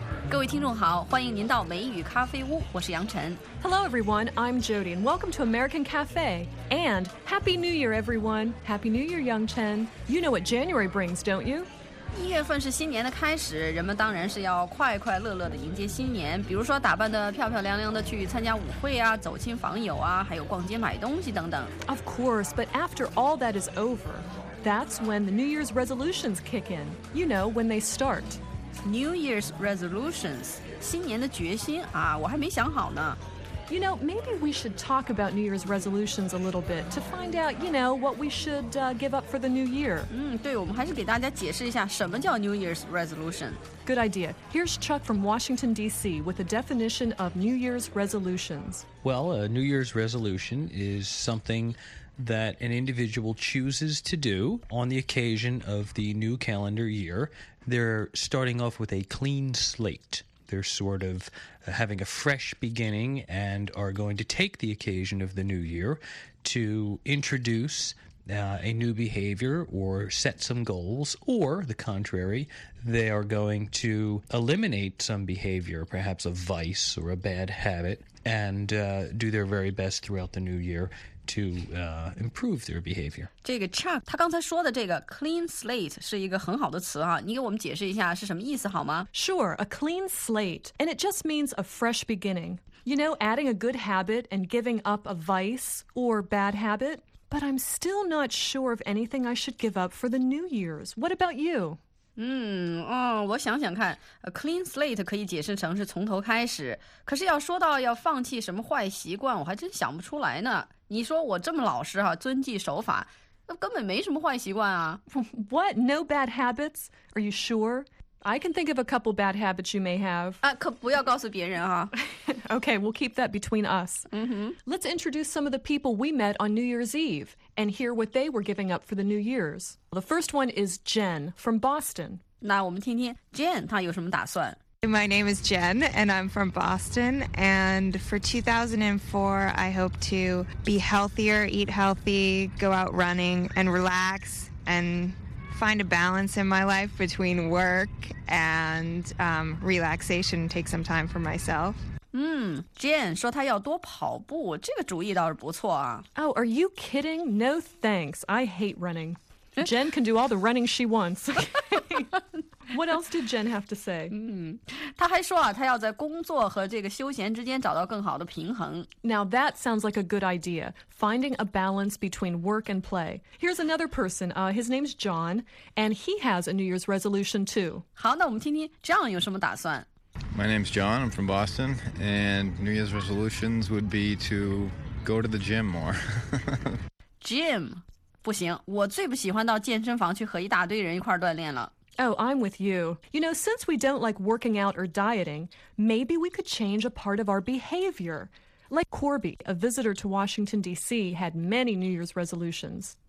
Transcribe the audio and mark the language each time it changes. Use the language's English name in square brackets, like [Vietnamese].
[Chinese] 各位听众好，欢迎您到美语咖啡屋，我是杨晨。 [English] Hello, everyone. I'm Jody, and welcome to American Cafe. And Happy New Year, everyone. Happy New Year, Yang Chen. You know what January brings, don't you? [Chinese] 一月份是新年的开始，人们当然是要快快乐乐地迎接新年，比如说打扮得漂漂亮亮地去参加舞会啊，走亲访友啊，还有逛街买东西等等。 [English] Of course, but after all that is over, that's when the New Year's resolutions kick in. You know, when they start. [Chinese] New Year's resolutions, 新年的决心啊，我还没想好呢。 [English] You know, maybe we should talk about New Year's resolutions a little bit to find out, you know, what we should give up for the new year. [Chinese] 对，我们还是给大家解释一下什么叫 New Year's resolution. [English] Good idea. Here's Chuck from Washington, D.C. with a definition of New Year's resolutions. Well, a New Year's resolution is something that an individual chooses to do on the occasion of the new calendar year. They're starting off with a clean slate. They're sort of having a fresh beginning and are going to take the occasion of the new year to introduce a new behavior or set some goals, or the contrary, they are going to eliminate some behavior, perhaps a vice or a bad habit, and do their very best throughout the new year to improve their behavior. [Chinese] 这个 Chuck, 他刚才说的这个 clean slate 是一个很好的词啊，你给我们解释一下是什么意思好吗？ [English] Sure, a clean slate, and it just means a fresh beginning. You know, adding a good habit and giving up a vice or bad habit, but I'm still not sure of anything I should give up for the New Year's. What about you? [Chinese] 我想想看 ，a clean slate 可以解释成是从头开始。可是要说到要放弃什么坏习惯，我还真想不出来呢。你说我这么老实哈、啊，遵纪守法，那根本没什么坏习惯啊。 [English] What? No bad habits? Are you sure? I can think of a couple bad habits you may have. [Chinese] 啊，可不要告诉别人哈、啊。 [English] Okay, we'll keep that between us. Let's introduce some of the people we met on New Year's Eve and hear what they were giving up for the New Year's. The first one is Jen from Boston. [Chinese] 那我们听听 Jen 她有什么打算。 [English] My name is Jen, and I'm from Boston. And for 2004, I hope to be healthier, eat healthy, go out running, and relax, and find a balance in my life between work and relaxation, take some time for myself. [Chinese] Jen 说她要多跑步，这个主意倒是不错啊。 [English] Oh, are you kidding? No thanks. I hate running. Jen can do all the running she wants. What else did Jen have to say? [Chinese] 她还说啊，她要在工作和这个休闲之间找到更好的平衡。 [English] Now that sounds like a good idea, finding a balance between work and play. Here's another person. His name's John, and he has a New Year's resolution too. [Chinese] 好，那我们听听 John 有什么打算。 [English] My name's John, I'm from Boston, and New Year's resolutions would be to go to the gym more. Gym? [Chinese] 不行，我最不喜欢到健身房去和一大堆人一块锻炼了。 [English] Oh, I'm with you. You know, since we don't like working out or dieting, maybe we could change a part of our behavior. Like Corby, a visitor to Washington, D.C., had many New Year's resolutions.